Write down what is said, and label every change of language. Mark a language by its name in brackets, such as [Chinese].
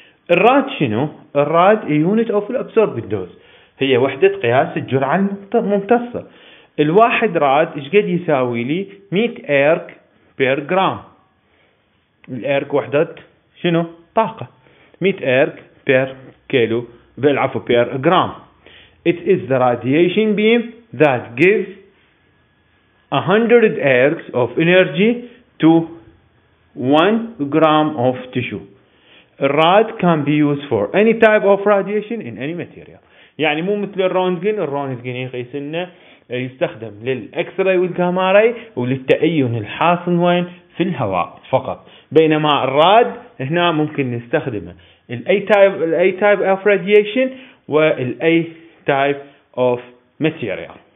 [Arabic] الراد شنو؟ الراد يونت اوف الابسورب دوز، هي وحدة قياس الجرعة الممتصة. الواحد راد ايش قد يساوي لي؟ 100 ايرك بير جرام. الايرك وحدة شنو؟ طاقة. 100 ايرك بير كيلو بالعفو بير جرام. [English] It is the radiation beam that gives 100 ergs of energy to 1 gram of tissue. Rad can be used for any type of radiation in any material. [Arabic] يعني مو مثل الروندجين، الروندجين يقيس لنا يستخدم للإكس راي والجاما راي وللتأين الحاصل وين؟ في الهواء فقط. بينما الراد هنا ممكن نستخدمه الأي تايب [English] of radiation [Arabic] والأي [English] type of material.